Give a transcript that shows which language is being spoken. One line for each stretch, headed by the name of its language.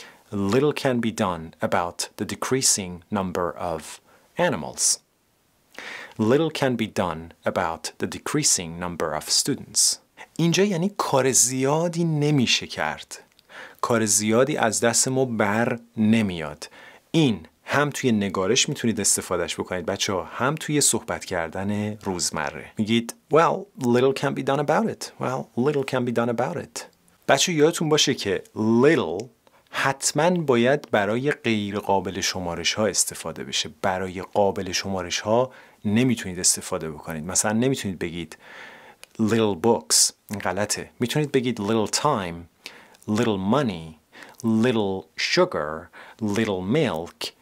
English: Little can be done about the decreasing number of animals. Little can be done about the decreasing number of students.
Persian: اینجا یعنی کار زیادی نمیشه کرد. کار زیادی از دست ما بر نمیاد. این هم توی نگارش میتونید استفادهش بکنید بچه ها، هم توی صحبت کردن روزمره. میگید
English: Well, little can be done about it. Well, little can be done about it.
Persian: بچه یادتون باشه که little حتما باید برای غیر قابل شمارش ها استفاده بشه. برای قابل شمارش ها نمیتونید استفاده بکنید. مثلا نمیتونید بگید little books. غلطه. میتونید بگید little time, little money, little sugar, little milk.